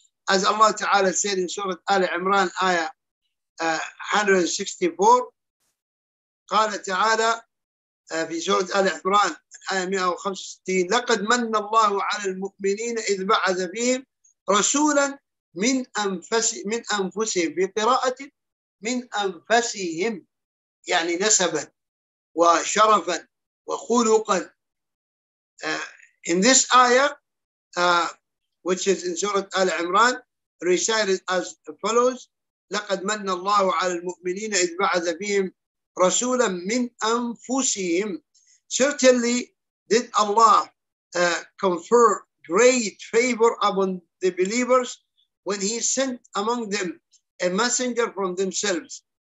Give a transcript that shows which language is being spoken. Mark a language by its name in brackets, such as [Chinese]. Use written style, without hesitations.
[English] As Allah Ta'ala said in Surah Ali Imran, Ayah 164, [Arabic] قال تعالى في سورة Ali Imran, Ayah 165, لقد من الله على المؤمنين إذ بعث فيهم رسولا من أنفسهم في قراءة من أنفسهم يعني نسبا وشرفا وخلقا. [English] In this ayah, which is in Surah Al-Imran, recited as follows: [Arabic] لقد من الله على المؤمنين إذ بعث فيهم رسولا من أنفسهم. [English] Certainly did Allah confer great favor upon the believers when he sent among them a messenger from themselves.